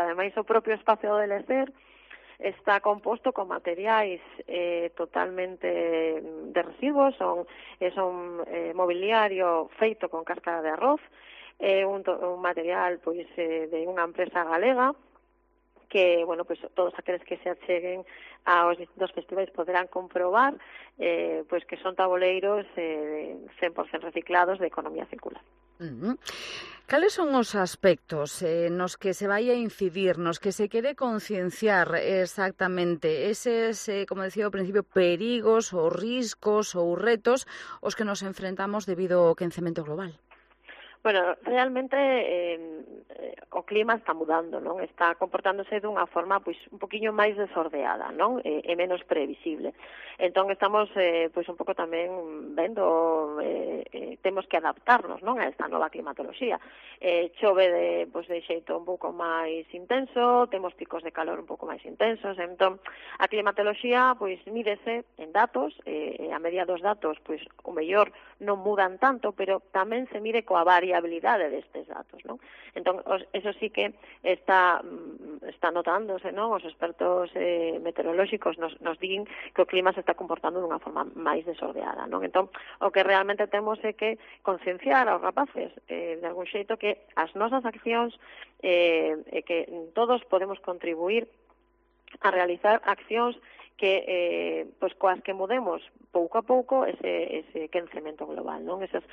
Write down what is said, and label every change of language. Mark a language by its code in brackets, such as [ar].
[gl] Ademais, o propio espacio de lecer está composto con materiais totalmente de residuos, son mobiliario feito con cáscara de arroz, un material pois de unha empresa galega [es] que, bueno, pues todos aquellos que se acheguen a los distintos festivales podrán comprobar pues que son tabuleiros 100% reciclados de economía circular. [gl] ¿Cales son os aspectos nos que se vai a incidir, nos que se quere concienciar exactamente? Eses, como decía ao principio, perigos ou riscos ou retos os que nos enfrentamos debido ao quencemento global? Bueno, realmente o clima está mudando, non? Está comportándose dunha forma pois un poquinho máis desordeada, non? E menos previsible. Entón estamos pois un pouco tamén vendo temos que adaptarnos, non, a esta nova climatoloxía. Chove de pois de xeito un pouco máis intenso, temos picos de calor un pouco máis intensos. Entón a climatoloxía pois mídese en datos, a media dos datos pois o mellor non mudan tanto, pero tamén se mide coa variabilidade destes datos, non? Entón, eso sí que está notándose, non? Os expertos meteorolóxicos nos din que o clima se está comportando dunha forma máis desordenada, non? Entón, o que realmente temos é que concienciar aos rapaces, de algún xeito, que as nosas accións, que todos podemos contribuir a realizar accións que pues coas que mudemos pouco a pouco ese quencemento global, non?